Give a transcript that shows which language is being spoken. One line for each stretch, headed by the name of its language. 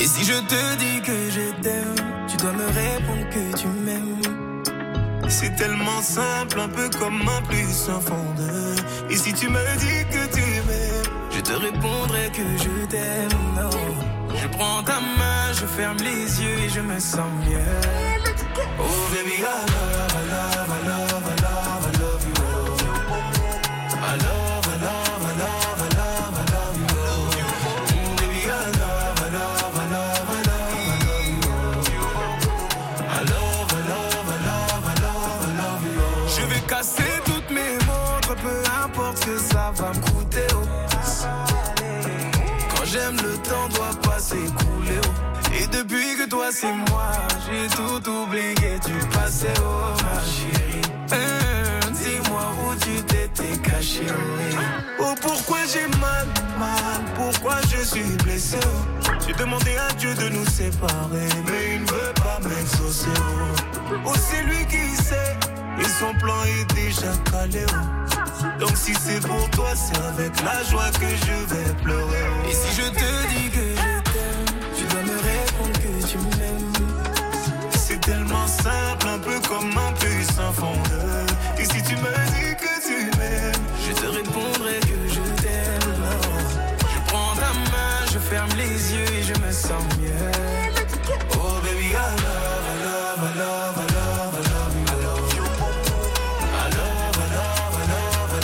French: Et si je te dis que je t'aime, tu dois me répondre que tu m'aimes. C'est tellement simple, un peu comme un plus un fond de. Et si tu me dis que tu m'aimes, je te répondrai que je t'aime. Oh. Je prends ta main, je ferme les yeux et je me sens mieux.
English: Oh baby, I love, I love, I love, I love, I love you. Oh. I love, I love, I love, I love, I love you. Oh. Baby, I love, I love, I love, I love, I love you. Oh. I love, I love, I love, I love, I love, I love you. Oh.
French: Je vais casser toutes mes montres, peu importe ce que ça va me coûter. Oh. Quand j'aime, le temps doit passer, couler. Oh. Et depuis que toi c'est moi, j'ai tout oublié du passé. Oh ma chérie, dis-moi où tu t'étais caché. Oh, oh pourquoi j'ai mal, mal, pourquoi je suis blessé. Oh. J'ai demandé à Dieu de nous séparer, mais il ne veut pas m'exaucer. Oh. Oh c'est lui qui sait, et son plan est déjà calé. Oh. Donc si c'est pour toi, c'est avec la joie que je vais pleurer. Oh. Et si je te dis que je t'aime, tu dois me répondre que tu m'aimes. C'est tellement simple, un peu comme un puissant fondeur. Et si tu me dis que tu m'aimes, je te répondrai que je t'aime. Oh. Je prends ta main, je ferme les yeux et je me sens mieux.
English: Oh baby, I love, I love, I love, I love you. I love, I love, I love.